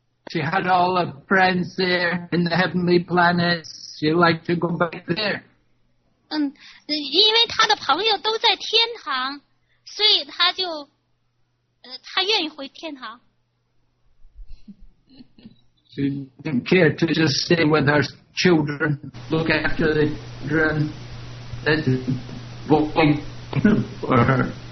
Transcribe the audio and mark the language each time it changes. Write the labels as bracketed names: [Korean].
[English] She had all the friends there in the heavenly planets. She liked to go back there. [Chinese] 因为他的朋友都在天堂，所以他就，他愿意回天堂。 [English] She didn't care to just stay with her children, look after the children that were waiting for her.